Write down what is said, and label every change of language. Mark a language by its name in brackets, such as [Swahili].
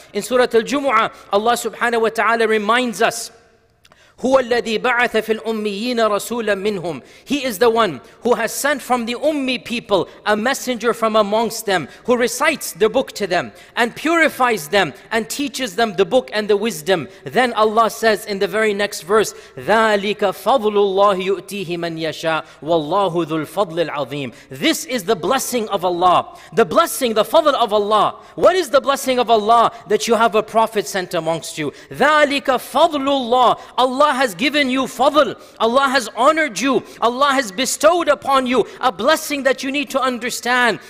[English] In Surah Al-Jumu'ah, Allah subhanahu wa ta'ala reminds us, [Arabic] هُوَ الَّذِي بَعَثَ فِي الْأُمِّيِّينَ رَسُولًا مِّنْهُمْ. [English] He is the one who has sent from the Ummi people a messenger from amongst them, who recites the book to them and purifies them and teaches them the book and the wisdom. [Arabic] Then Allah says in the very next verse, ذَلِكَ فَضْلُ اللَّهِ يُؤْتِيهِ مَنْ يَشَاءُ وَاللَّهُ ذُو الْفَضْلِ الْعَظِيمِ. [English] This is the blessing of Allah. The blessing, the fadl of Allah. What is the blessing of Allah? That you have a prophet sent amongst you. [Arabic] ذَلِكَ فَضْلُ اللَّهِ. [English] Allah has given you fadl. Allah has honored you. Allah has bestowed upon you a blessing that you need to understand.